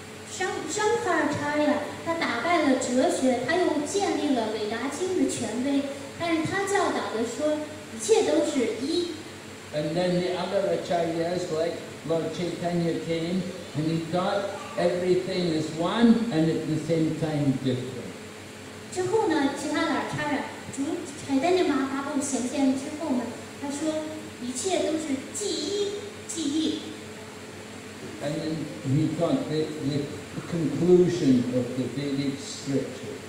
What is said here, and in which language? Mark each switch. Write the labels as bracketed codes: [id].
[zh] Shankaracharya, 他打败了哲学，他又建立了伟达经的权威，但是他教导的说，一切都是一。 [en] And then the other acharyas like Lord Chaitanya came and he thought everything is one and at the same time different. [zh] 之后呢，其他的阿查尔，从柴达涅马达布显现之后呢，他说一切都是即一即一。 [en] And then he thought that the conclusion of the Vedic scriptures.